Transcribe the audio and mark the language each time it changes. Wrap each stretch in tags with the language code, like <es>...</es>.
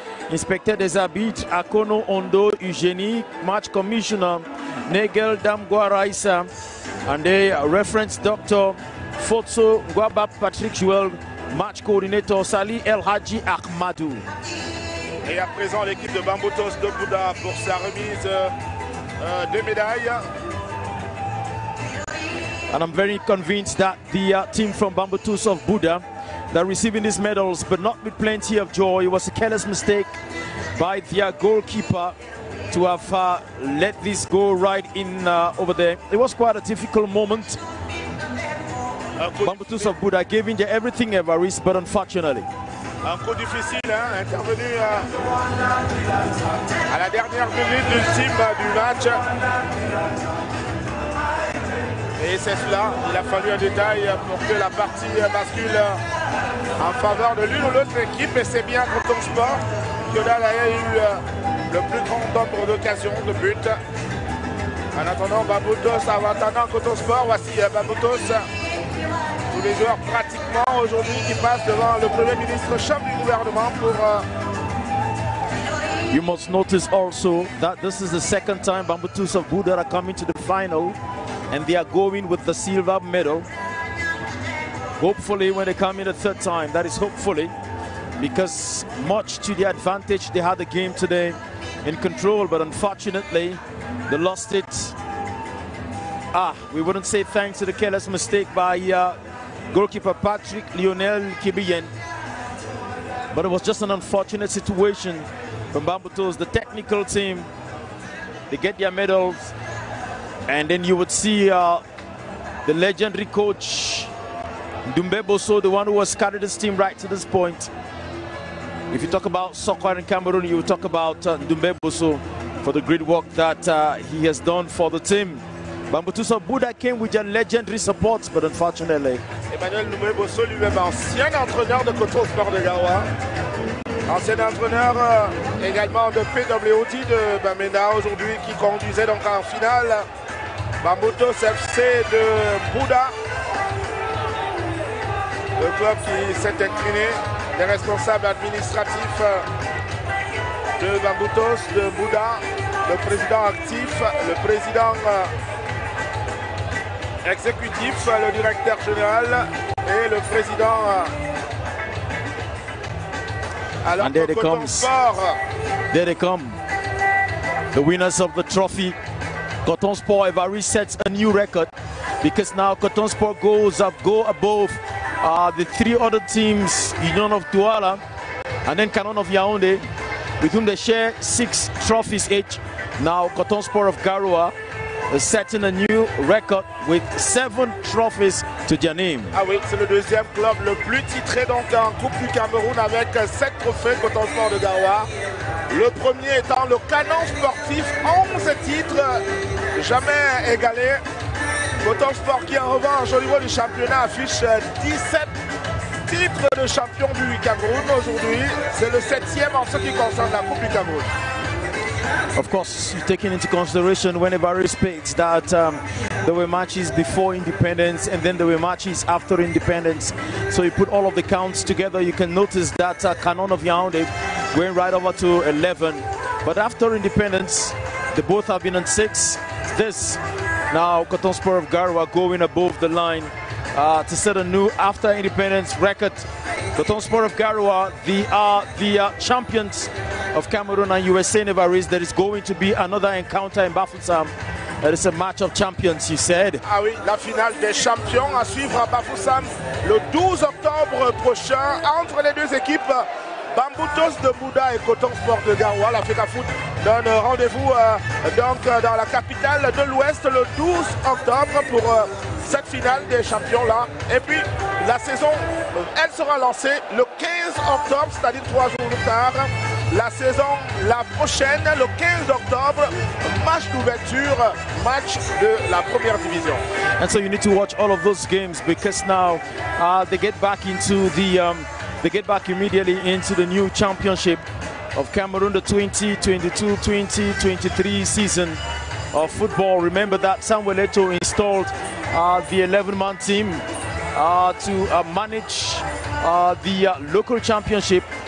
<fr>Inspecteur des arbitres Akono Ondo Eugénie.</fr> <en>Match commissioner</en> <fr>Nigel Damguaraisa.</fr> <en>And the reference doctor Fotso Ngwabap Patrick Joel. Match coordinator Sali El Hadji Ahmadou.</en> <fr>Et à présent, l'équipe de Bambutos de Bouda pour sa remise. Deux médailles.</fr> <en>And I'm very convinced that the team from Bambutos of Buda that receiving these medals, but not with plenty of joy. It was a careless mistake by their goalkeeper to have let this go right in over there. It was quite a difficult moment. Bambutos of Buda giving their everything ever is, but unfortunately.</en> <fr>Un coup difficile, hein, intervenu à la dernière minute du team du match. Et c'est cela, il a fallu un détail pour que la partie bascule en faveur de l'une ou l'autre équipe. Et c'est bien pour ton sport que Dal a eu le plus grand nombre d'occasions de but. En attendant, Bambutos, avant attendant Coton Sport, voici Bambutos. Tous les joueurs pratiquement aujourd'hui qui passent devant le Premier ministre, chef du gouvernement pour...</fr> <en>You must notice also that this is the second time Bambutos of Buda are coming to the final and they are going with the silver medal. Hopefully when they come in the third time, that is hopefully, because much to the advantage they had the game today in control, but unfortunately they lost it. Ah, we wouldn't say thanks to the careless mistake by goalkeeper Patrick Lionel Kibiyen. But it was just an unfortunate situation from Bambutos, the technical team. They get their medals. And then you would see the legendary coach, Dumbe Boso, the one who has carried this team right to this point. If you talk about soccer in Cameroon, you would talk about Dumbe Boso for the great work that he has done for the team. Bambutos of Buda came with their legendary supports, but unfortunately.</en> <fr>Emmanuel Dumbe Boso, lui-même ancien entraîneur de Coton Sport de Garoua, ancien entraîneur également de PWOT de Bamenda aujourd'hui, qui conduisait donc en finale Bambutos FC de Buda. Le club qui s'est incliné, les responsables administratifs de Bambutos de Buda, le président actif, le président exécutif, le directeur général et le président. Alors,</fr> <en>and there they come. the winners of the trophy. Coton Sport Evary sets a new record because now Coton Sport goals have go above the three other teams, Union of Douala and then Canon of Yaoundé, with whom they share six trophies each. Now Coton Sport of Garoua is setting a new record with seven trophies to their name.</en> <fr>Ah oui, c'est le deuxième club le plus titré donc en Coupe du Cameroun avec sept trophées, Coton Sport de Garoua. Le premier étant le Canon Sportif, 11 titres jamais égalés. Coton Sport qui en revanche au niveau du championnat affiche 17 titres de champion du Cameroun aujourd'hui. C'est le septième en ce qui concerne la Coupe du Cameroun.</fr> <en>Of course, taking into consideration when Evary speaks that there were matches before independence and then there were matches after independence. So you put all of the counts together, you can notice that Canon of Yaoundé going right over to 11. But after independence, they both have been on six. This, now Coton Sport of Garoua going above the line to set a new after independence record. Coton Sport of Garoua, they are the champions of Cameroon and USA Nevaris. There is going to be another encounter in Bafoussam. It is a match of champions, you said.</en> <fr>Ah oui, la finale des champions à suivre à Bafoussam le 12 octobre prochain entre les deux équipes, Bambutos de Bouda et Coton Sport de Garoua. La FECAFOOT donne rendez-vous donc dans la capitale de l'Ouest le 12 octobre pour cette finale des champions là. Et puis la saison, elle sera lancée le 15 octobre, c'est-à-dire trois jours plus tard. La saison, la prochaine, le 15 octobre, match d'ouverture, match de la première division.</fr> <en>And so you need to watch all of those games because now they get back into the they get back immediately into the new championship of Cameroon, the 2022-2023 season of football. Remember that Samuel Eto'o installed the 11-man team to manage the local championship.</en>